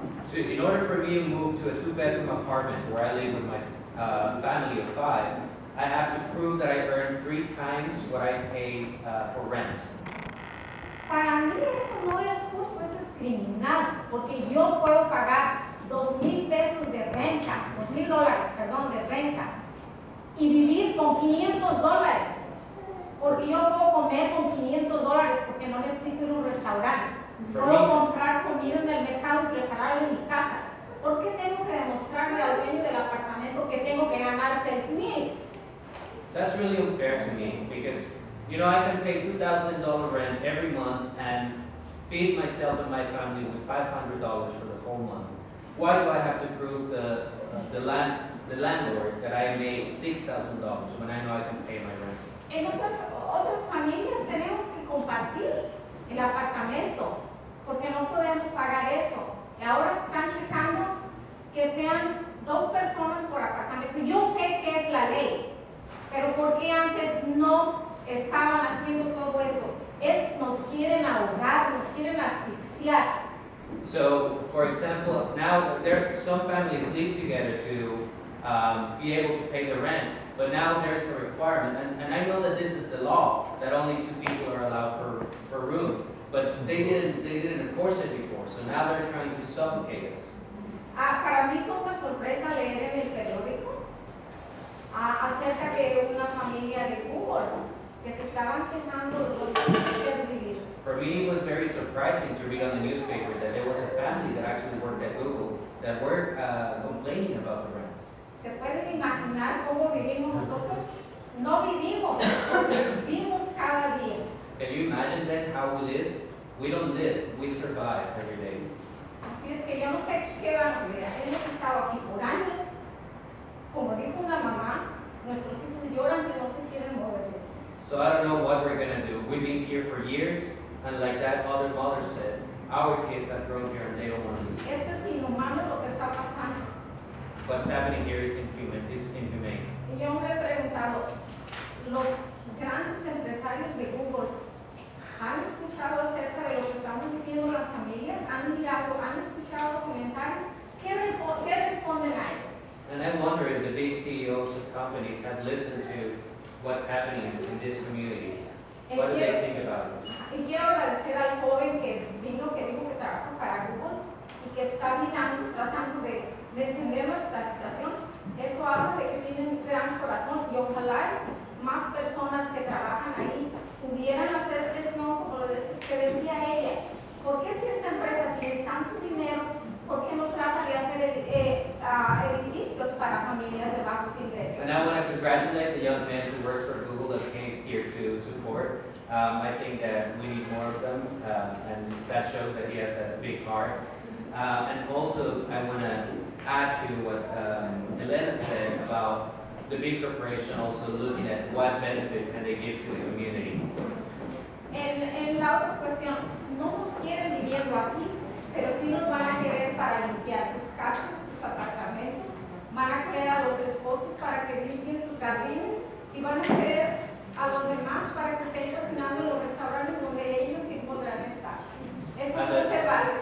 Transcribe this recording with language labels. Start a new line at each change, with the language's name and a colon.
English: So in order for me to move to a two-bedroom apartment where I live with my family of five, I have to prove that I earn three times what I pay for rent.
Spanish: Para mí eso no es justo, eso es criminal, porque yo puedo pagar $2,000 de renta, y vivir con $500. Porque yo puedo comer con $500 porque no necesito ir a un restaurante. Puedo comprar comida en el mercado y prepararlo en mi casa. ¿Por qué tengo que demostrarle al dueño del apartamento que tengo que ganar $6,000?
English: That's really unfair to me because, you know, I can pay $2,000 rent every month and feed myself and my family with $500 for the whole month. Why do I have to prove the landlord that I made $6,000 when I know I can pay my rent?
Spanish: En otras familias tenemos que compartir el apartamento porque no podemos pagar eso. Y ahora están checando que sean dos personas por apartamento. Yo sé que es la ley, pero ¿por qué antes no estaban haciendo todo eso? Es, nos quieren ahogar, nos quieren asfixiar.
English: So, for example, now there are some families live together to be able to pay the rent. But now there's a requirement, and I know that this is the law, that only two people are allowed per room, but they didn't enforce it before, so now they're trying to suffocate us.
Spanish: Para mí fue una sorpresa leer en el periódico acerca de una familia de Cuba que se estaban quejando de los derechos de vivir.
English: For me, it was very surprising to read on the newspaper that there was a family that actually worked at Google that were complaining about the rent.
Spanish: ¿Se pueden imaginar cómo vivimos nosotros? No vivimos, vivimos cada día.
English: Can you imagine then how we live? We don't live, we survive every day.
Spanish: Así es que yo no sé qué vamos a hacer. Hemos estado aquí por años. Como dijo una mamá, nuestros hijos lloran que no se quieren mover.
English: So I don't know what we're going to do. We've been here for years, and like that other mother said, our kids have grown here and they don't want to leave.
Spanish: Esto es inhumano lo que está pasando.
English: What's happening here is inhuman, it's inhumane.
Spanish: Yo me he preguntado, los grandes empresarios de Google han escuchado acerca de lo que estamos diciendo las familias, han mirado, han escuchado comentarios, ¿qué responden a eso?
English: And I wonder if the big CEOs of companies have listened to what's happening in these communities. What do they think about this?
Spanish: Y quiero agradecer al joven que vino, que dijo que trabaja para Google y que está mirando, tratando de entender nuestra situación. Eso habla de que tienen un gran corazón y ojalá más personas que trabajan ahí pudieran hacer eso, como lo decía ella. ¿Por qué si esta empresa tiene tanto dinero, por qué no trata de hacer edificios para familias de bajos ingresos?
English: And I want to congratulate the young man who works for Google that came here to support. I think that we need more of them, and that shows that he has a big heart. And also, I want to add to what Elena said about the big corporation also looking at what benefit can they give to the community.
Spanish: En la otra cuestión, no nos quieren viviendo aquí, pero sí nos van a querer para limpiar sus casas, sus apartamentos, van a querer a los esposos para que limpien sus jardines y van a querer a los demás para que estén cocinando en los restaurantes donde ellos sí podrán estar. Eso no se va.